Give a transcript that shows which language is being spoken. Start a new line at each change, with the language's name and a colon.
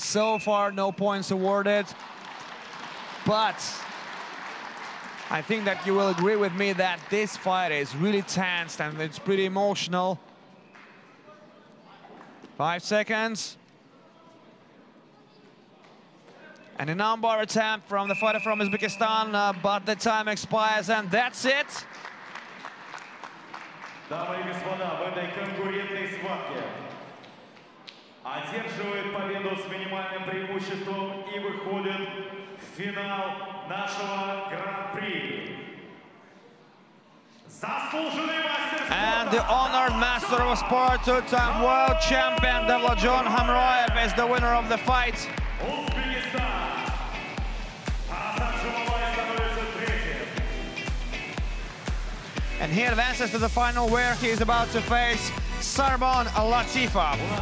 English: So far, no points awarded. But I think that you will agree with me that this fight is really tense and it's pretty emotional. 5 seconds. And an armbar attempt from the fighter from Uzbekistan, but the time expires and that's it.
Russian: Дамы и господа, в этой конкурентной схватке одерживает победу с минимальным преимуществом и выходит в финал нашего гран-при. Заслуженный мастер спорта!
English: And the honored master of sport, two-time world champion, Davladjon Khamraev, is the winner of the fight. And he advances to the final where he is about to face Sorbon Latifov.